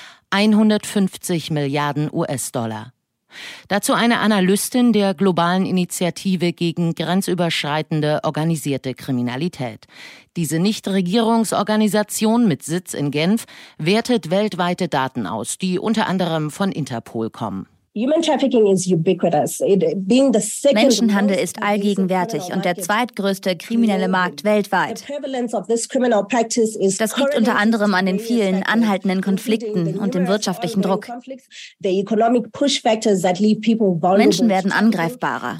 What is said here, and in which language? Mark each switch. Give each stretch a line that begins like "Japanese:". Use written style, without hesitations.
German: 150 Milliarden US-Dollar. Dazu eine Analystin der globalen Initiative gegen grenzüberschreitende organisierte Kriminalität. Diese Nichtregierungsorganisation mit Sitz in Genf wertet weltweite Daten aus, die unter anderem von Interpol kommen.
English: Human trafficking is ubiquitous.
German: Menschenhandel ist allgegenwärtig und der zweitgrößte kriminelle Markt weltweit. Das liegt unter anderem an den vielen anhaltenden Konflikten und dem wirtschaftlichen Druck. Menschen werden angreifbarer.